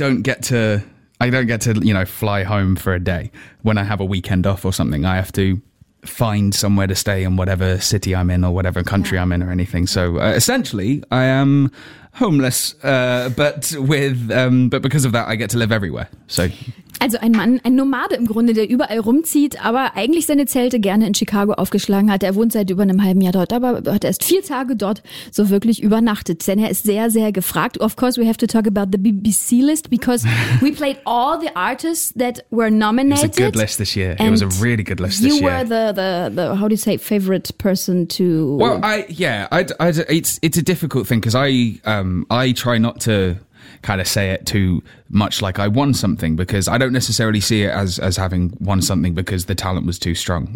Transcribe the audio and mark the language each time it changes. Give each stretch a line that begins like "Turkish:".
English: I don't get to, you know, fly home for a day. When I have a weekend off or something, I have to find somewhere to stay in whatever city I'm in or whatever country I'm in or anything. So essentially, I am homeless, but because of that, I get to live everywhere. So.
German: Also ein Mann, ein Nomade im Grunde, der überall rumzieht, aber eigentlich seine Zelte gerne in Chicago aufgeschlagen hat. Er wohnt seit über einem halben Jahr dort, aber hat erst 4 Tage dort so wirklich übernachtet. Denn er ist sehr, sehr gefragt.
English: Of course, we have to talk about the BBC list, because we played all the artists that were nominated. It was a good list this year. It was a really good list this year. You were the how do you say, favorite person to... Well, it's a difficult thing, because I try not to kind of say it too much like I won something, because I don't necessarily see it as having won something, because the talent was too strong.